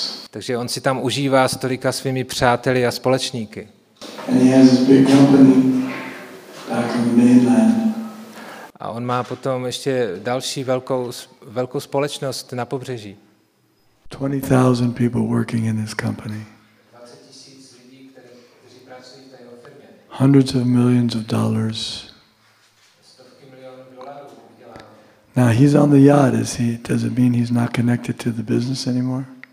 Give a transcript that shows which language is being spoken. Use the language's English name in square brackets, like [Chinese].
[Czech] Takže on si tam užívá s tolika svými přáteli a společníky. [English] And he has a big company back on the mainland. [Czech] A on má potom ještě další velkou společnost na pobřeží. [English] 20,000 people working in this company. [Czech] 20,000 lidí, kteří pracují v této firmě. [English] Hundreds of millions of dollars. [Czech] Stovky milionů dolarů vydělá. [English] Now he's on the yacht. Does it mean he's not connected to the business anymore?